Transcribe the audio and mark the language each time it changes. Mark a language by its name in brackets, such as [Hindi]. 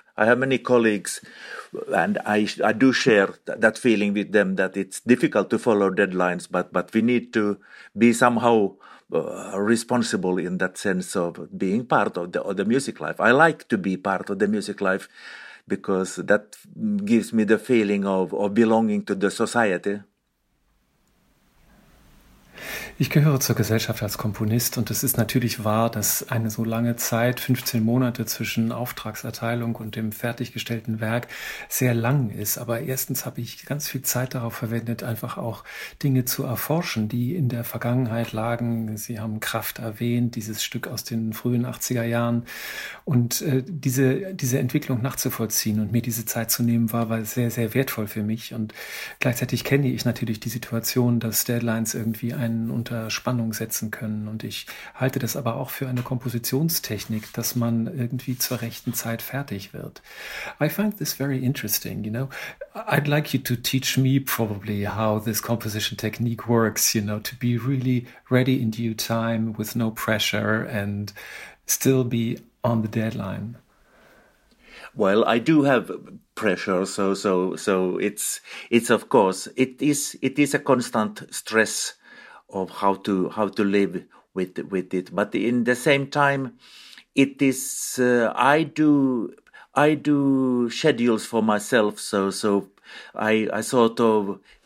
[English] I have many colleagues, and I do share that feeling with them that it's difficult to follow deadlines, but we need to be somehow responsible in that sense of being part of the music life. I like to be part of the music life because that gives me the feeling of belonging to the society. [German] Ich gehöre zur Gesellschaft als Komponist und es ist natürlich wahr, dass eine so lange Zeit, 15 Monate zwischen Auftragserteilung und dem fertiggestellten Werk, sehr lang ist. Aber erstens habe ich ganz viel Zeit darauf verwendet, einfach auch Dinge zu erforschen, die in der Vergangenheit lagen. Sie haben Kraft erwähnt, dieses Stück aus den frühen 80er Jahren. Und diese Entwicklung nachzuvollziehen und mir diese Zeit zu nehmen, war sehr, sehr wertvoll für mich. Und gleichzeitig kenne ich natürlich die Situation, dass Deadlines irgendwie einen unter Spannung setzen können. Und ich halte das aber auch für eine Kompositionstechnik, dass man irgendwie zur rechten Zeit fertig wird. [English] I find this very interesting, you know. I'd like you to teach me probably how this composition technique works, you know, to be really ready in due time with no pressure and still be on the deadline. Well, I do have pressure, so it's of course, it is a constant stress of how to live with it, but in the same time, it is I do schedules for myself, so I sort of